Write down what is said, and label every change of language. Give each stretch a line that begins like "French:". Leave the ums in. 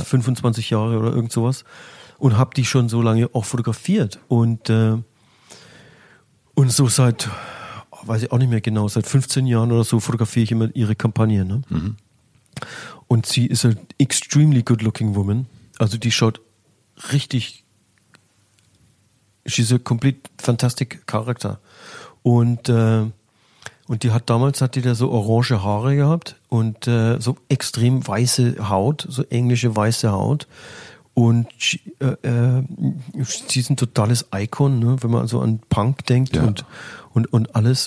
German: 25 Jahre oder irgend sowas. Und habe die schon so lange auch fotografiert. Und, äh, und so seit, oh, weiß ich auch nicht mehr genau, seit 15 Jahren oder so fotografiere ich immer ihre Kampagne. Ne? Und sie ist eine
English: extremely good looking woman.
German: Also die schaut richtig.
English: She's a complete fantastic character.
German: Und, äh, und die hat damals, hat die da so orange Haare gehabt und äh, so extrem weiße Haut, so englische weiße Haut. Und
English: she,
German: äh, äh, sie ist ein totales Icon, ne? wenn man so an Punk denkt Ja. und, und, und alles.